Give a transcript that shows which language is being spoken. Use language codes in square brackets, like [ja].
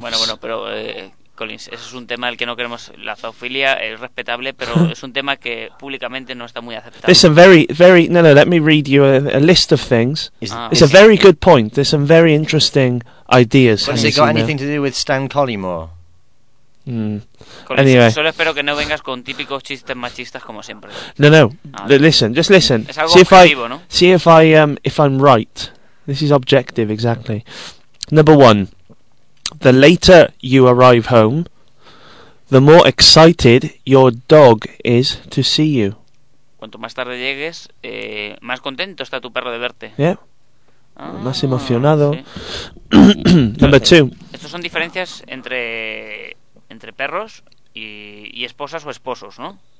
[es] Bueno, pero Collins, ese es un tema el que no queremos. La zoofilia es respetable, pero es un tema que públicamente no está muy aceptado. [en] There's some very, very... No, let me read you a list of things. It's a very good point. There's some very interesting ideas. Has it got anything to do with Stan Collymore? Collins, anyway. [es] Solo espero que no vengas con típicos chistes machistas como siempre. [en] No. Listen, just listen. [es] Es algo objetivo, ¿no? [en] See if I'm right. This is objective, exactly. Number one. The later you arrive home, the more excited your dog is to see you. [es] Cuanto más tarde llegues, más contento está tu perro de verte. [en] Yeah. [es] Más emocionado. Sí. [en] Number two. [es] Estos son diferencias entre perros y esposas o esposos, ¿no?